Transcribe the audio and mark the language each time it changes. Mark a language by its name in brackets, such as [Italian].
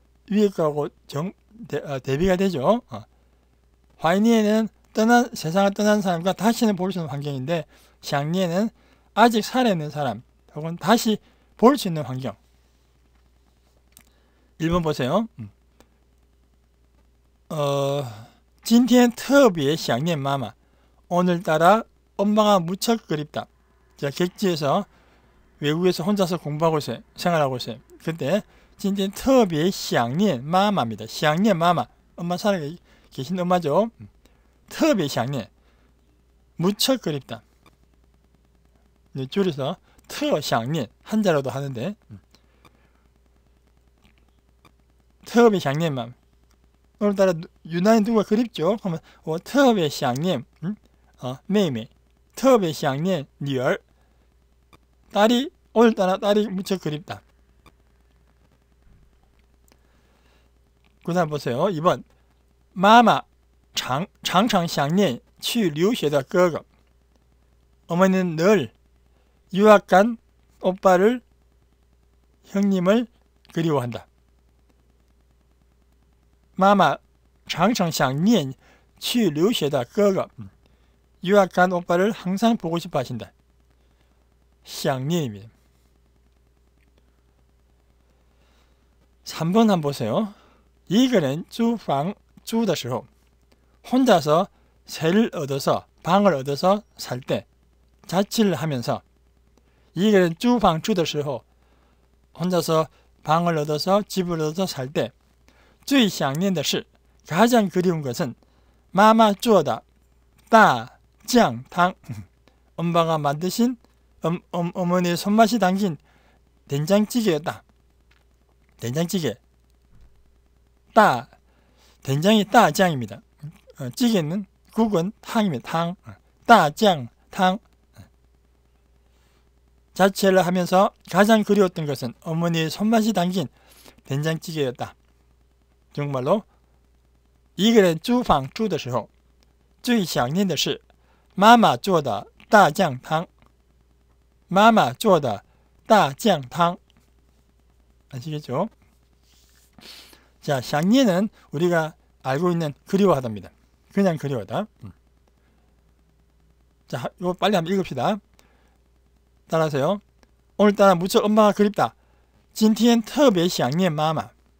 [Korean] 위에 거하고 대비가 되죠. 화이니에는 세상을 떠난 사람과 다시는 볼 수 있는 환경인데, 샹니에는 아직 살아있는 사람 혹은 다시 볼 수 있는 환경. 1번 보세요. [Chinese] 今天特别想念妈妈. [Korean] 오늘따라 엄마가 무척 그립다. 제가 객지에서 외국에서 혼자서 공부하고 있어요. 생활하고 있어요. 그때 [Chinese] 今天特别想念妈妈 [Korean] 입니다. [Chinese] 想念妈妈. [Korean] 엄마 살아계신 엄마죠. [Chinese] 特别想念. [Korean] 무척 그립다. 줄여서 [Chinese] 特想念. [Korean] 한자로도 하는데 [Chinese] 特别想念妈妈. [Korean] 오늘따라 유난히 누가 그립죠? 그러면 [Chinese] 我特别想念妹妹特别想念女儿. [Korean] 딸이 오늘따라 딸이 무척 그립다. 그다음 보세요. 2번. [Chinese] 마마 常常想念去留学的哥哥. [Korean] 어머니는 늘 유학 간 오빠를 형님을 그리워한다. [Chinese] 마마 常常想念去留学的哥哥. [Korean] 유학 간 오빠를 항상 보고 싶어 하신다. [Chinese] 想念입니다. [Korean] 3번 한번 보세요. [Chinese] 一个人租房租的时候. [Korean] 혼자서 세를 얻어서 방을 얻어서 살 때, 자취를 하면서. [Chinese] 一个人租房住的时候. [Korean] 혼자서 방을 얻어서 집을 얻어서 살 때. [Chinese] 最想念的是. [Korean] 가장 그리운 것은 마마주어다 따장탕. 엄마가 만드신 어머니의 손맛이 담긴 된장찌개였다. 된장찌개. 된장이 따장입니다. 찌개는 국은 탕입니다. 탕. 따장탕. 자취를 하면서 가장 그리웠던 것은 어머니의 손맛이 담긴 된장찌개였다. 정말로 [Chinese] 一个人租房住的时候最想念的是妈妈做的大酱汤妈妈做的大酱汤. [Korean] 아시겠죠? 자, 想念은 우리가 알고 있는 그리워하답니다. 그냥 그리워하다. 자, 이거 빨리 한번 읽읍시다. 따라하세요. 오늘따라 무척 엄마가 그립다. [Chinese] 今天特别想念妈妈.